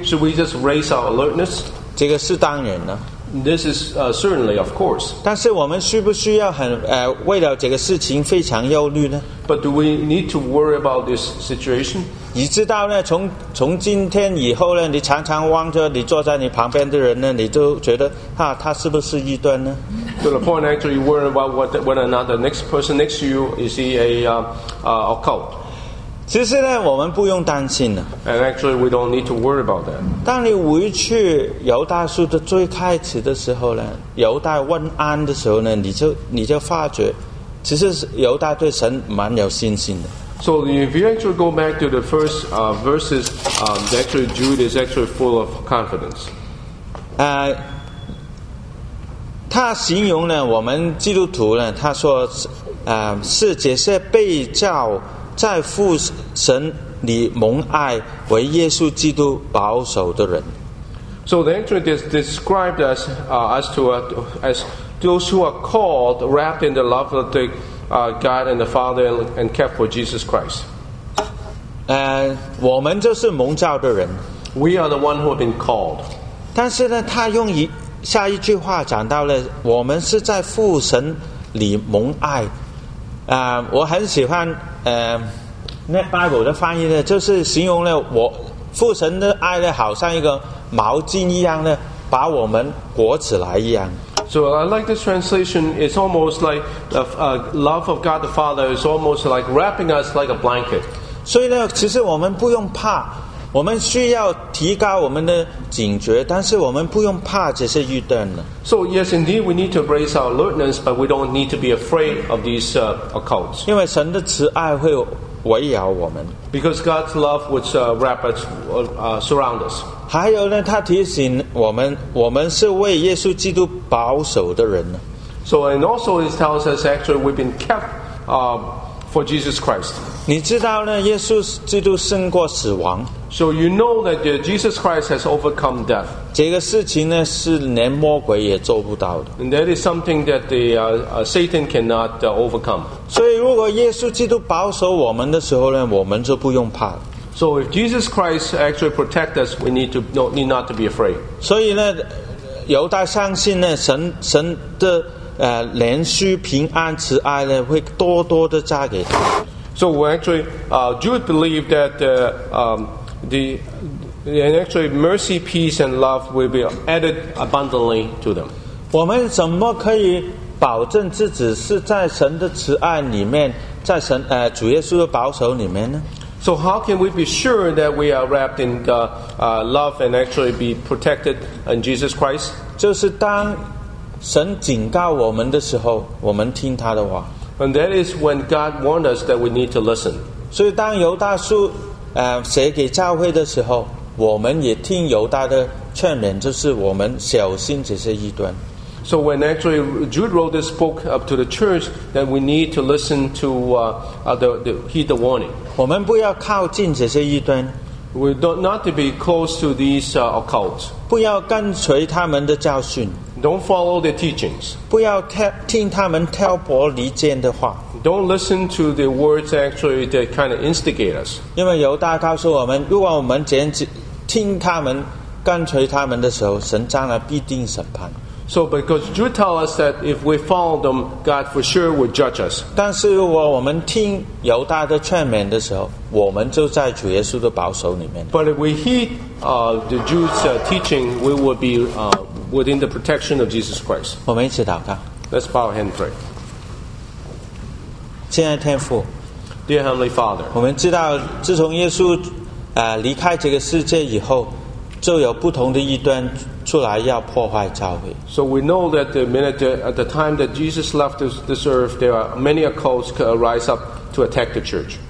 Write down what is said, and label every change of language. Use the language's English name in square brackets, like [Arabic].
[English] Should we just raise our alertness? [Chinese] 这个是当然的。 [English] This is certainly, of course. [Chinese] 但是我们需不需要很为了这个事情非常忧虑呢？ [English] But do we need to worry about this situation? [Chinese] 你知道呢，从今天以后呢，你常常望着你坐在你旁边的人呢，你就觉得他是不是异端呢？ [English] So the point actually, you worry about whether or not the next person next to you is he a occult? [Chinese] 其实呢，我们不用担心的。 [English] And actually, we don't need to worry about that. [Chinese] 当你回去犹大书的最开始的时候呢，犹大问安的时候呢，你就发觉，其实犹大对神蛮有信心的。 [English] So if you actually go back to the first verses, actually Jude is actually full of confidence. [Chinese] 他形容呢，我们基督徒呢，他说，是这些被教。在父神里蒙爱为耶稣基督保守的人。 [English] So the actually is described as as those who are called wrapped in the love of the God and the Father and kept for Jesus Christ. [Chinese] 我们就是蒙召的人。 [English] We are the one who have been called. [Chinese] 但是呢，他用下一句话讲到了，我们是在父神里蒙爱。我很喜欢。那 Bible 的翻译呢，就是形容呢，我父神的爱呢，好像一个毛巾一样呢，把我们裹起来一样。 [English] So I like this translation. It's almost like the love of God the Father is almost like wrapping us like a blanket. [Chinese] 所以呢，其实我们不用怕，我们需要提高我们的警觉，但是我们不用怕这些预断的。 [English] So yes, indeed, we need to raise our alertness, but we don't need to be afraid of these occults. [Chinese] 因为神的慈爱会围绕我们。 [English] Because God's love would wrap us, surround us. [Chinese] 还有呢，他提醒我们，我们是为耶稣基督保守的人。 [English] So and also, it tells us actually we've been kept, for Jesus Christ. [Chinese] 你知道呢，耶稣基督胜过死亡。 [English] So you know that Jesus Christ has overcome death. [Chinese] 这个事情呢，是连魔鬼也做不到的。 [English] And that is something that the Satan cannot overcome. [Chinese] 所以，如果耶稣基督保守我们的时候呢，我们就不用怕。 [English] So if Jesus Christ actually protect us, we need not to be afraid. [Chinese] 所以呢，犹大相信呢，神的连续平安慈爱呢，会多多的加给他。 [English] So we actually, Jude believed that and actually mercy, peace, and love will be added abundantly to them. [Chinese] 我们怎么可以保证自己是在神的慈爱里面，在神主耶稣的保守里面呢？ [English] So how can we be sure that we are wrapped in the love and actually be protected in Jesus Christ? [Chinese] 就是当神警告我们的时候，我们听他的话。 [English] And that is when God warned us that we need to listen. [Chinese] 所以当犹大书写给教会的时候，我们也听犹大的劝勉，就是我们小心这些异端。 [English] So when actually Jude wrote this book up to the church, then we need to listen to heed the warning. [Chinese] 我们不要靠近这些异端。 [English] We don't not to be close to these occults. [Chinese] 不要跟随他们的教训。 [English] Don't follow the teachings. [Chinese] 不要听他们挑拨离间的话。 [English] Don't listen to the words actually that kind of instigate us. [Chinese] 因为犹大告诉我们，如果我们坚持听他们、跟随他们的时候，神将来必定审判。 [English] So because Jude tell us that if we follow them, God for sure will judge us. [Chinese] 但是如果我们听犹大的劝勉的时候，我们就在主耶稣的保守里面。 [English] But if we heed the Jude's teaching, we will be within the protection of Jesus Christ. [Chinese] 我们一起祷告。 [English] Let's bow our hand and pray. [Chinese] 亲爱的天父， [English] Dear Heavenly Father, [Chinese] 我们知道自从耶稣离开这个世界以后，就有不同的异端出来要破坏教会。 [English] So we know that at the time that Jesus left this earth, there are many occults rise up to attack the church.